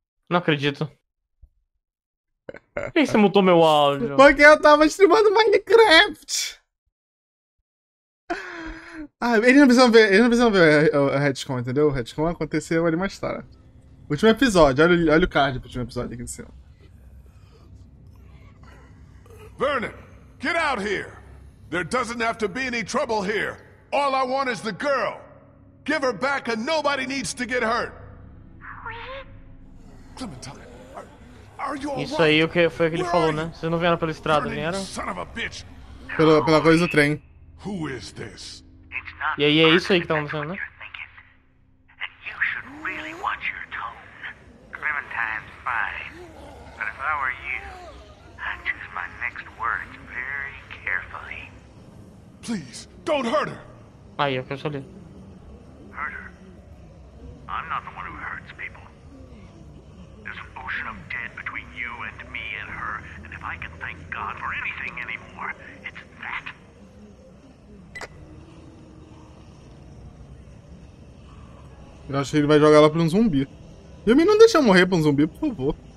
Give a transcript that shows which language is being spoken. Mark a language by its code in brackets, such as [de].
[pt] Não acredito. Por que você mutou meu áudio? Porque eu tava streamando Minecraft! Ah, ele não precisa ver, a retcon, entendeu? O retcon aconteceu ali mais tarde. Último episódio, olha o card pro último episódio aqui em cima. [en] Vernon, get out here! There doesn't have to be any trouble here. All I want is the girl! Give her back and nobody needs to get hurt. Clementine, are you [pt] Isso aí o que foi que ele falou, né? Vocês não vieram pela estrada, não vieram? [en] Son of a bitch. [pt] Pela coisa do trem. [en] Who is this? [pt] E aí é isso aí que tá acontecendo, né? [en] You should really watch your tone. Clementine's fine. But if I were you, I'd choose my next words very carefully. Please, don't hurt her. [pt] Aí, eu falei. [en] I'm not the one who hurts people. There's an ocean of dead between you and me and her, and if I can thank God for anything anymore, it's that. [pt] Eu acho que ele vai jogar ela pra um zumbi. Yumi, não deixa eu morrer pra um zumbi, por favor.